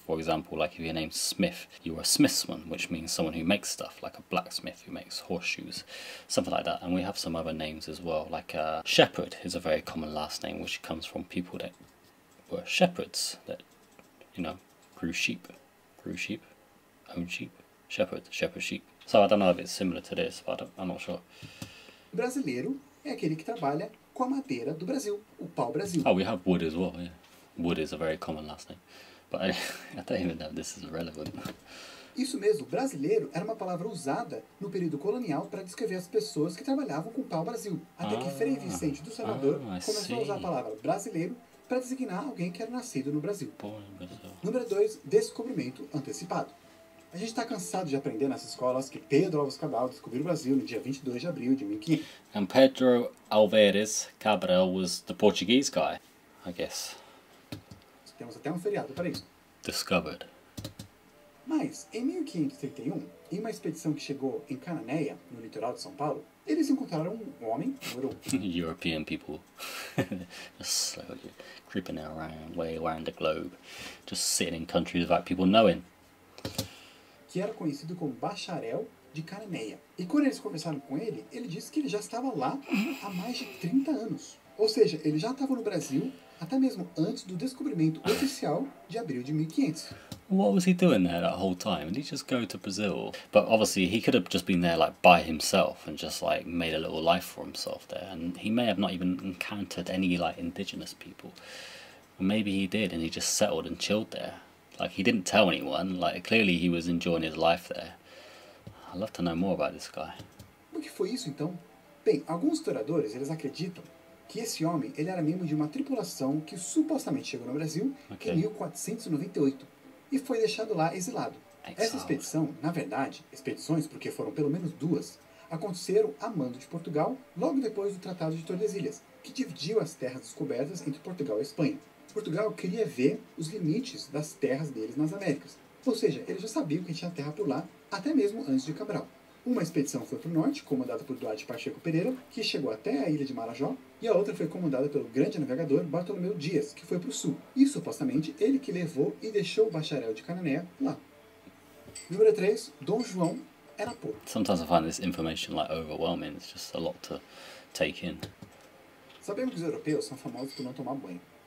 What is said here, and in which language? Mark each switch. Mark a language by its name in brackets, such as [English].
[English] For example, like, if your name's Smith, you are a Smithsman, which means someone who makes stuff, like a blacksmith who makes horseshoes, something like that. And we have some other names as well, like Shepherd is a very common last name, which comes from people that were shepherds that, you know, grew sheep, owned sheep, shepherd sheep. So I don't know if it's similar to this, but I'm not sure. [Portuguese] Brasileiro é aquele que trabalha com a madeira do Brasil, o pau-brasil. [English] Oh, we have wood as well, yeah. Wood is a very common last name. But I don't even know if this is relevant. [Portuguese] Isso mesmo, brasileiro era uma palavra usada no período colonial para descrever as pessoas que trabalhavam com o pau-brasil. Até que Frei Vicente do Salvador começou a usar a palavra brasileiro para designar alguém que era nascido no Brasil. Número 2, descobrimento antecipado. A gente está cansado de aprender nas escolas que Pedro Alves Cabral descobriu o Brasil no dia 22 de abril de 1500. [English] And Pedro Alves Cabral was the Portuguese guy, I guess. [Portuguese] Temos até um feriado para isso. [English] Discovered. [Portuguese] Mas, em 1531, em uma expedição que chegou em Cananéia, no litoral de São Paulo, eles encontraram um homem, um europeu. [English] European people. Just slowly creeping around, way around the globe. Just sitting in countries without people knowing. [Portuguese] Que era conhecido como bacharel de Cananéia. E quando eles conversaram com ele, ele disse que ele já estava lá há mais de 30 anos. Ou seja, ele já estava no Brasil até mesmo antes do descobrimento oficial de abril de 1500. [English] What was he doing there that whole time? Did he just go to Brazil? But obviously he could have just been there like by himself and just like made a little life for himself there. And he may have not even encountered any like indigenous people. Maybe he did and he just settled and chilled there. Like he didn't tell anyone. Like clearly he was enjoying his life there. I'd love to know more about this guy. [Portuguese] O que foi isso então? Bem, alguns historiadores, eles acreditam que esse homem, ele era membro de uma tripulação que supostamente chegou no Brasil em 1498. E foi deixado lá exilado. Exiled. Essa expedição, na verdade, expedições, porque foram pelo menos duas, aconteceram a mando de Portugal logo depois do Tratado de Tordesilhas, que dividiu as terras descobertas entre Portugal e Espanha. Portugal queria ver os limites das terras deles nas Américas. Ou seja, eles já sabiam que tinha terra por lá, até mesmo antes de Cabral. Uma expedição foi para o norte, comandada por Duarte Pacheco Pereira, que chegou até a ilha de Marajó, e a outra foi comandada pelo grande navegador Bartolomeu Dias, que foi para o sul. E, supostamente, ele que levou e deixou o bacharel de Cananéia lá. Número 3, Dom João era porco. [English] Sometimes I find this information like overwhelming, it's just a lot to take in. [Portuguese] Sabemos que os europeus são famosos por não tomar banho.